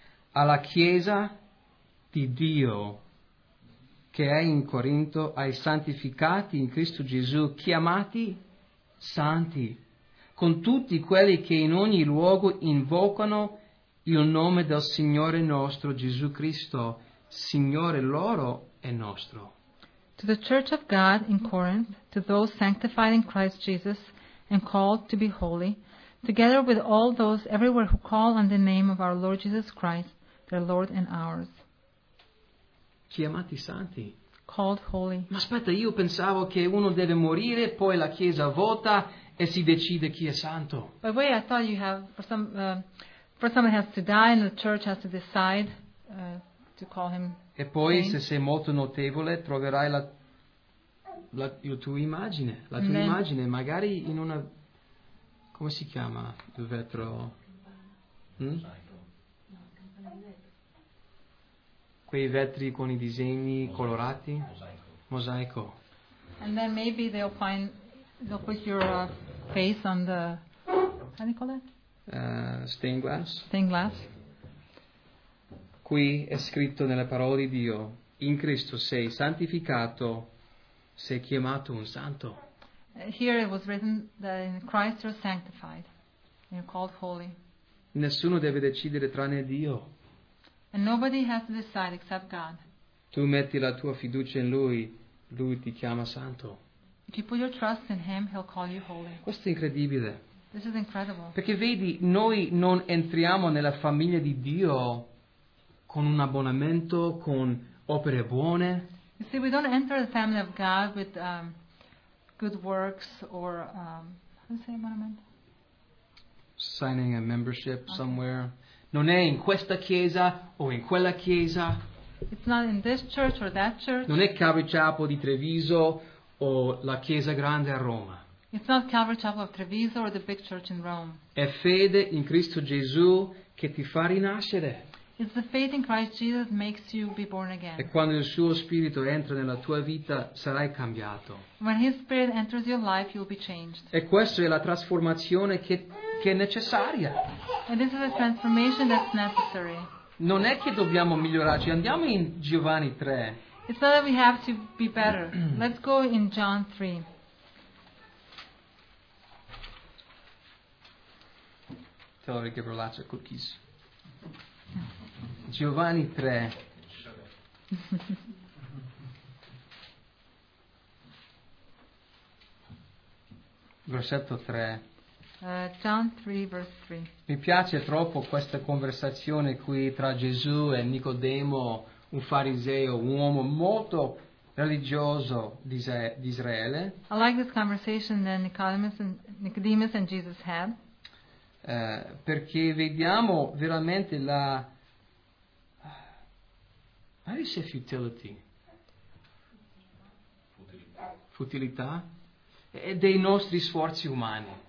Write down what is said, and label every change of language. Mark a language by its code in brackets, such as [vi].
[it] Alla Chiesa di Dio che è in Corinto, ai santificati in Cristo Gesù, chiamati santi, con tutti quelli che in ogni luogo invocano il nome del Signore nostro Gesù Cristo, Signore loro e nostro. [en] To the Church of God in Corinth, to those sanctified in Christ Jesus and called to be holy, together with all those everywhere who call on the name of our Lord Jesus Christ, their Lord and ours. [it] Chiamati santi. [en] Called holy. [it] Ma aspetta, io pensavo che uno deve morire, poi la Chiesa vota e si decide chi è santo. [en] By the way, I thought you have, for some For someone has to die and the church has to decide to call him. [it] E poi se sei molto notevole troverai la tua immagine, la tua immagine magari in una, come si chiama il vetro? Quei vetri con i disegni colorati? Mosaico. [en] And then maybe they'll find, they'll put your face on the, how do you call that? Stained glass. Stained glass. [it] Qui è scritto nelle parole di Dio: in Cristo sei santificato, sei chiamato un santo. [en] Here it was written that in Christ you're sanctified, you're called holy. [it] Nessuno deve decidere tranne Dio. [en] And nobody has to decide except God. [it] Tu metti la tua fiducia in Lui, Lui ti chiama santo. [en] If you put your trust in Him, He'll call you holy. [it] Questo è incredibile. [en] This is incredible. [it] Perché vedi, noi non entriamo nella famiglia di Dio con un abbonamento, con opere buone. [en] You see, we don't enter the family of God with good works or how do you say abonamento? Signing a membership somewhere. [it] Non è in questa chiesa o in quella chiesa. [en] It's not in this church or that church. [it] Non è Calvary Chapel di Treviso o la chiesa grande a Roma. [en] It's not Calvary Chapel of Treviso or the big church in Rome. [it] È fede in Cristo Gesù che ti fa rinascere. [en] It's the faith in Christ Jesus that makes you be born again. [it] E quando il suo spirito entra nella tua vita sarai cambiato. [en] When his spirit enters your life you'll be changed. [it] E questa è la trasformazione che è necessaria. [en] And this is a transformation that's necessary. [it] Non è che dobbiamo migliorarci. Andiamo in Giovanni 3. [en] It's not that we have to be better. Let's go in John 3. Tell her to give her lots of cookies. [it] Giovanni 3. Versetto 3. [en] John 3, verse 3. [it] Mi piace troppo questa conversazione qui tra Gesù e Nicodemo, un fariseo, un uomo molto religioso di Israele. [en] I like this conversation that Nicodemus and Jesus had. [it] Perché vediamo veramente la [en] how do you say futility? [it] Futilità dei nostri sforzi umani.